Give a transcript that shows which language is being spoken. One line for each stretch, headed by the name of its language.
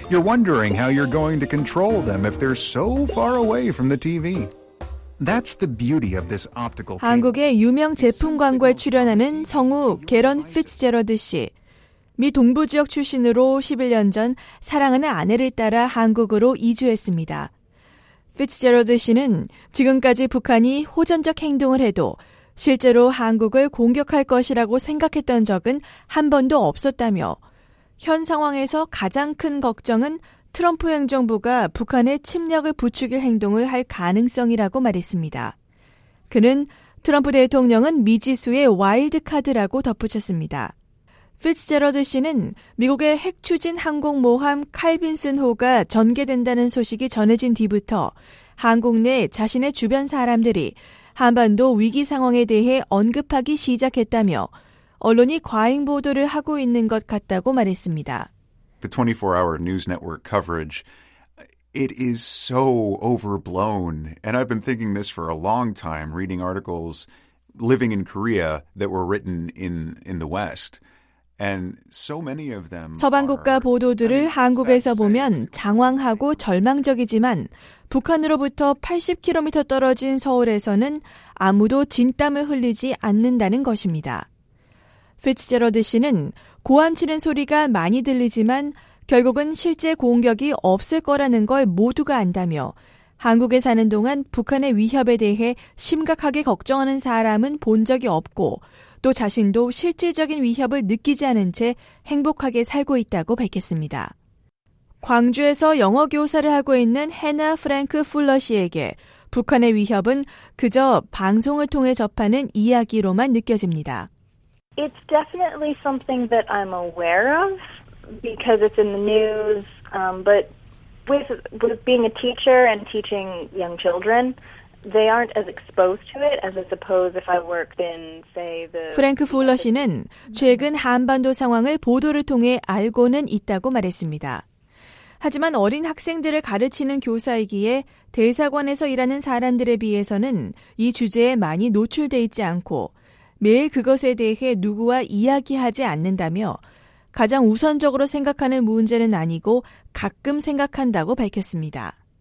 English: You're wondering how you're going to control them if they're so far away from the TV. That's the beauty of this optical cable.
Korean: 한국의 유명 제품 광고에 출연하는 성우 게런 피츠제러드 씨. 미 동부 지역 출신으로 11년 전 사랑하는 아내를 따라 한국으로 이주했습니다. 피츠제러드 씨는 지금까지 북한이 호전적 행동을 해도 실제로 한국을 공격할 것이라고 생각했던 적은 한 번도 없었다며 현 상황에서 가장 큰 걱정은 트럼프 행정부가 북한의 침략을 부추길 행동을 할 가능성이라고 말했습니다. 그는 트럼프 대통령은 미지수의 와일드카드라고 덧붙였습니다. 피츠제러드 씨는 미국의 핵 추진 항공 모함 칼빈슨호가 전개된다는 소식이 전해진 뒤부터 한국 내 자신의 주변 사람들이 한반도 위기 상황에 대해 언급하기 시작했다며 언론이 과잉 보도를 하고 있는 것 같다고 말했습니다.
English: The 24-hour news network coverage, it is so overblown. And I've been thinking this for a long time, reading articles living in Korea that were written in the West. And so many of them
Korean: 서방 국가 보도들을 한국에서 보면 장황하고 절망적이지만 북한으로부터 80km 떨어진 서울에서는 아무도 진땀을 흘리지 않는다는 것입니다. 피츠제러드 씨는 고함치는 소리가 많이 들리지만 결국은 실제 공격이 없을 거라는 걸 모두가 안다며 한국에 사는 동안 북한의 위협에 대해 심각하게 걱정하는 사람은 본 적이 없고 또 자신도 실질적인 위협을 느끼지 않은 채 행복하게 살고 있다고 밝혔습니다. 광주에서 영어 교사를 하고 있는 해나 프랭크 풀러 씨에게 북한의 위협은 그저 방송을 통해 접하는 이야기로만 느껴집니다.
English: It's definitely something that I'm aware of because it's in the news. But with being a teacher and teaching young children, they aren't as exposed to it as I suppose if I worked in, say, the.
Korean: 프랭크 풀러 씨는 최근 한반도 상황을 보도를 통해 알고는 있다고 말했습니다. 하지만 어린 학생들을 가르치는 교사이기에 대사관에서 일하는 사람들에 비해서는 이 주제에 많이 노출돼 있지 않고 매일 그것에 대해 누구와 이야기하지 않는다며 가장 우선적으로 생각하는 문제는 아니고 가끔 생각한다고 밝혔습니다.